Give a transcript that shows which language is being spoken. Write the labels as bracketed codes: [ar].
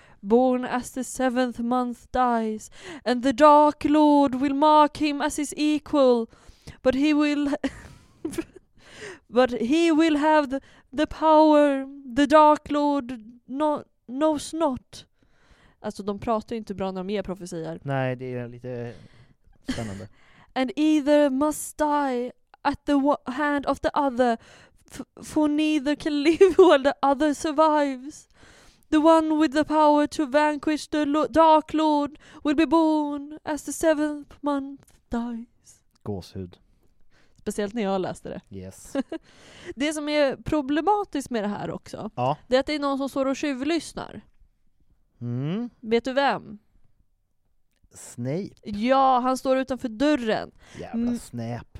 [en] Born as the seventh month dies, and the Dark Lord will mark him as his equal, but he will but he will have the power the Dark Lord knows not. [sv] Alltså, de pratar inte bra när de ger profetier. Nej, det är lite spännande. [en] And either must die at the hand of the other, for neither can live while the other survives. The one with the power to vanquish the Dark Lord will be born as the seventh month dies. [sv] Gåshud. Speciellt när jag läste det. [en] Yes. [sv] Det som är problematiskt med det här också, ja, det är att det är någon som står och tjuvlyssnar. Mm. Vet du vem? Snape. Ja, han står utanför dörren. Jävla Snape.